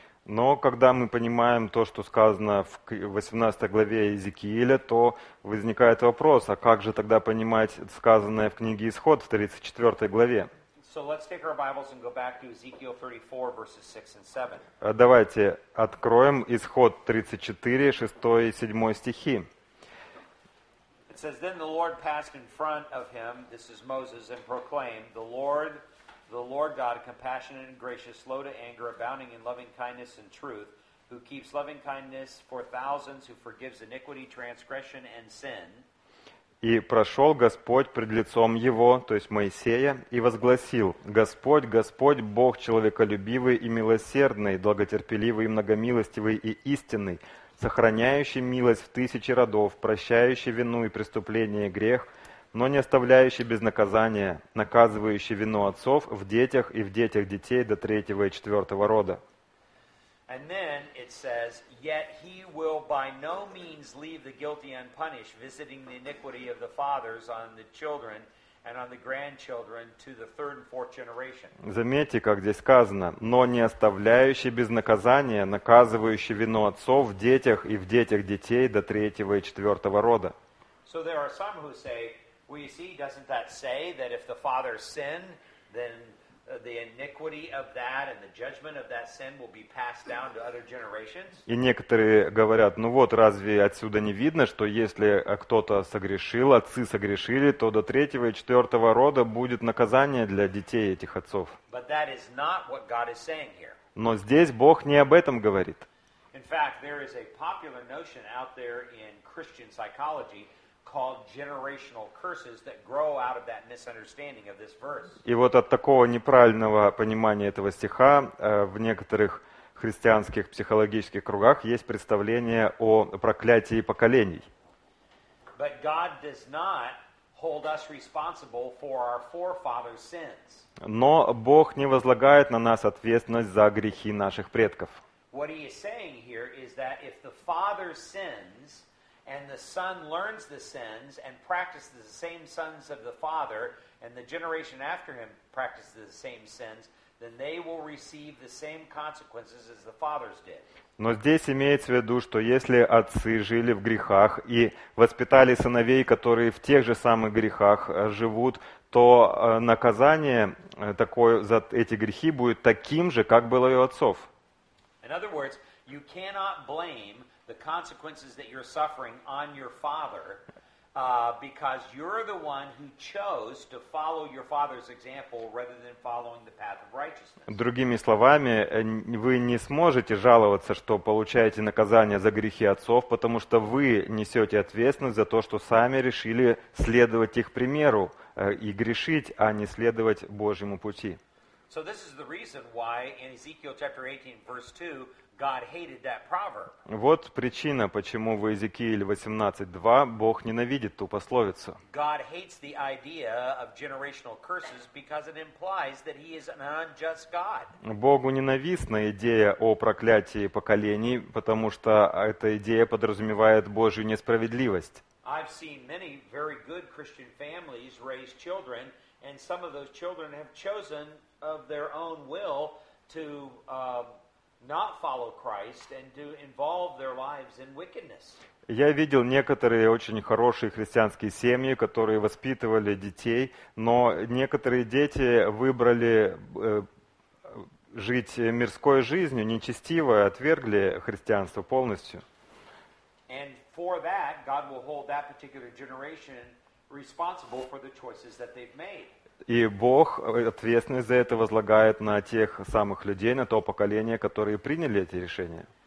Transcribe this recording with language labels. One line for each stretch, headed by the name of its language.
Russian: Но когда мы понимаем то, что сказано в 18 главе Иезекииля, то возникает вопрос: а как же тогда понимать сказанное в книге Исход в 34 главе?
English: So let's take our Bibles and go back to Ezekiel 34, verses 6 and 7.
Russian: Давайте откроем Исход 34, 6 и 7 стихи.
English: It says, then the Lord passed in front of him, this is Moses, and proclaimed, the Lord God, compassionate and gracious, slow to anger, abounding in loving kindness and truth, who keeps loving kindness for thousands, who forgives iniquity, transgression, and sin.
Russian: И прошел Господь пред лицом его, то есть Моисея, и возгласил, Господь, Господь, Бог человеколюбивый и милосердный, долготерпеливый и многомилостивый и истинный, сохраняющий милость в тысячи родов, прощающий вину и преступление и грех, но не оставляющий без наказания, наказывающий вину отцов в детях и в детях детей до третьего и четвертого рода.
English: And then it says, yet he will by no means leave the guilty unpunished, visiting the iniquity of the fathers on the children and on the grandchildren to the third and fourth generation.
Russian: Заметьте, как здесь сказано, но не оставляющий без наказания, наказывающий вину отцов в детях и в детях детей до третьего и четвертого рода.
English: So there are some who say, well, you see, doesn't that say that if the fathers sin, then the iniquity of that and the judgment of that sin will be passed down to other generations.
Russian: И некоторые говорят: "Ну вот, разве отсюда не видно, что если кто-то согрешил, отцы согрешили, то до третьего и четвёртого рода будет наказание для детей этих отцов?"
English: But that is not what God is saying here.
Russian: Но здесь Бог не об этом говорит.
English: In fact, there is a popular notion out there in Christian psychology called generational curses that grow out of that misunderstanding of this verse.
Russian: И вот от такого неправильного понимания этого стиха в некоторых христианских психологических кругах есть представление о проклятии поколений.
English: But God does not hold us responsible for our forefathers' sins.
Russian: Но Бог не возлагает на нас ответственность за грехи наших предков.
English: What he is saying here is that if the father sins and the son learns the sins and practices the same sins of the father, and the generation after him practices the same sins, then they will receive the same consequences as the fathers did.
Russian: Но здесь имеется в виду, что если отцы жили в грехах и воспитали сыновей, которые в тех же самых грехах живут, то наказание такое за эти грехи будет таким же, как было у отцов.
English: In other words, you cannot blame the consequences that you're suffering on your father, because you're the one who chose to follow your father's example rather than following the path of righteousness.
Russian: Другими словами, вы не сможете жаловаться, что получаете наказание за грехи отцов, потому что вы несете ответственность за то, что сами решили следовать их примеру и грешить, а не следовать Божьему пути.
English: So this is the reason why in Ezekiel chapter 18, verse 2, God hated that proverb.
Russian: Вот причина, почему в Иезекииле 18:2 Бог ненавидит ту пословицу.
English: God hates the idea of generational curses because it implies that he is an unjust God.
Russian: Богу ненавистна идея о проклятии поколений, потому что эта идея подразумевает Божью несправедливость.
English: I've seen many very good Christian families raise children, and some of those children have chosen of their own will to not follow Christ and to involve their lives in wickedness.
Russian: Я видел некоторые очень хорошие христианские семьи, которые воспитывали детей, но некоторые дети выбрали жить мирской жизнью, нечестиво отвергли христианство полностью.
English: And for that, God will hold that particular generation responsible for the choices that they've made.
Russian: И Бог ответственность за это возлагает на тех самых людей, на то поколение, которые приняли эти решения.